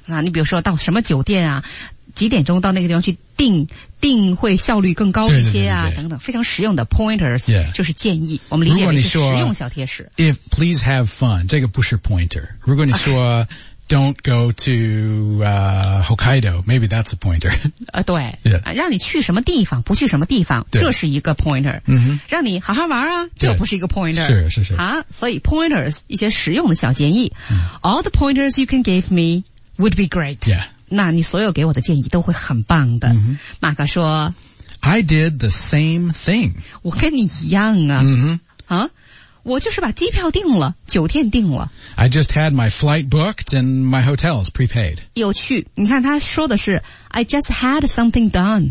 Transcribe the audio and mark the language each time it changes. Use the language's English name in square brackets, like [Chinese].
[Chinese] 啊、你比如说到什么酒店啊几点钟到那个地方去订会效率更高一些啊对对对对等等非常实用的 pointers、 [English] yeah. [Chinese] 就是建议我们理解为是实用小贴士 [English] If please have fun [Chinese] 这个不是 pointer 如果你说、okay. [English] don't go to、Hokkaido maybe that's a pointer [Chinese] 对、 [English] yeah. [Chinese] 让你去什么地方不去什么地方这是一个 pointer、 mm-hmm. 让你好好玩啊这不是一个 pointer 是是是所以 pointers 一些实用的小建议、 mm. [English] all the pointers you can give me would be great、 yeah. [Chinese] 那你所有给我的建议都会很棒的、 mm-hmm. 马克说 [English] I did the same thing [Chinese] 我跟你一样啊、 mm-hmm. 啊我就是把机票订了酒店订了 [English] I just had my flight booked and my hotel is prepaid [Chinese] 有趣你看他说的是 [English] I just had something done、